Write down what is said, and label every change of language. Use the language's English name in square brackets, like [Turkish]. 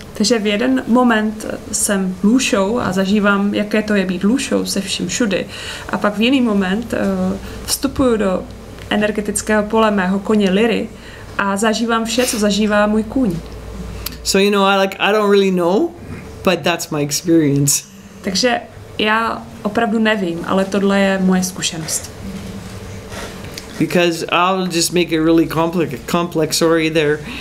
[Czech] Takže v jeden moment jsem Lušou a zažívám, jaké to je být Lušou se vším všudy. A pak v jiný moment vstupuju do energetického pole mého koně Lyry a zažívám vše, co zažívá můj kůň. [English] So you know, I don't really know, but that's my experience. [Czech] Takže já opravdu nevím, ale tohle je moje zkušenost. [English] Because I'll just make it really complex story there.